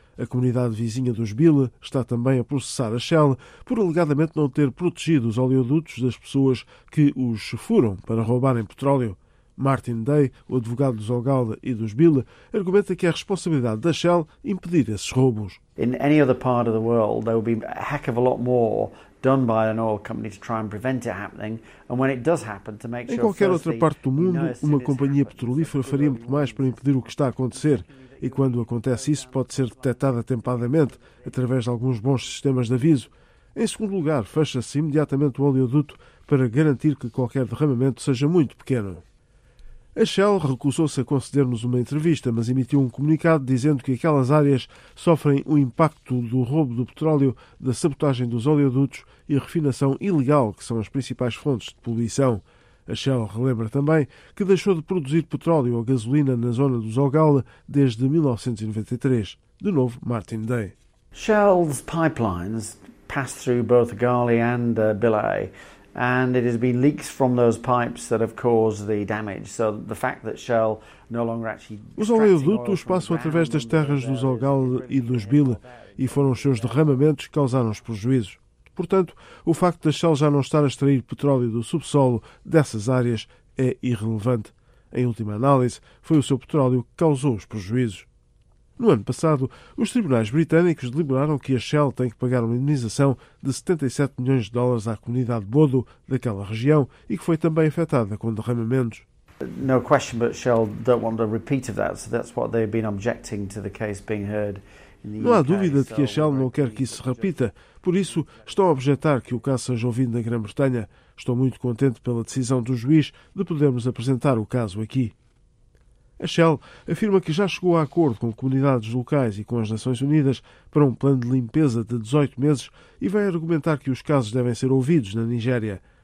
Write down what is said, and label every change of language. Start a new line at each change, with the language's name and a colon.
Portuguese: A comunidade vizinha dos Bile está também a processar a Shell por alegadamente não ter protegido os oleodutos das pessoas que os furam para roubarem petróleo. Martin Day, o advogado dos Ogala e dos Bile, argumenta que é a responsabilidade da Shell impedir esses roubos.
English: In any other part of the world, there would be a heck of a lot more done by an oil company to try and prevent it happening, and when it does happen, to make sure.
Portuguese: Em qualquer outra parte do mundo, uma companhia petrolífera faria muito mais para impedir o que está a acontecer. E quando acontece isso, pode ser detectado atempadamente, através de alguns bons sistemas de aviso. Em segundo lugar, fecha-se imediatamente o oleoduto para garantir que qualquer derramamento seja muito pequeno. A Shell recusou-se a conceder-nos uma entrevista, mas emitiu um comunicado dizendo que aquelas áreas sofrem o impacto do roubo do petróleo, da sabotagem dos oleodutos e a refinação ilegal, que são as principais fontes de poluição. A Shell relembra também que deixou de produzir petróleo ou gasolina na zona dos Ogala desde 1993. De novo, Martin Day.
English: Shell's pipelines pass through both Ogala and Bile, and it has been leaks from those pipes that have caused the damage. So the fact that Shell no longer actually
Portuguese: os oleodutos passam através das terras dos Ogala e dos Bile e foram os seus derramamentos que causaram os prejuízos. Portanto, o facto da Shell já não estar a extrair petróleo do subsolo dessas áreas é irrelevante. Em última análise, foi o seu petróleo que causou os prejuízos. No ano passado, os tribunais britânicos deliberaram que a Shell tem que pagar uma indemnização de 77 milhões de dólares à comunidade Bodo daquela região e que foi também afetada com derramamentos.
English: No question, but Shell don't want a repeat of that, so that's what they've been objecting to the case being heard.
Portuguese: Não há dúvida de que a Shell não quer que isso se repita, por isso estou a objetar que o caso seja ouvido na Grã-Bretanha. Estou muito contente pela decisão do juiz de podermos apresentar o caso aqui. A Shell afirma que já chegou a acordo com comunidades locais e com as Nações Unidas para um plano de limpeza de 18 meses e vai argumentar que os casos devem ser ouvidos na Nigéria.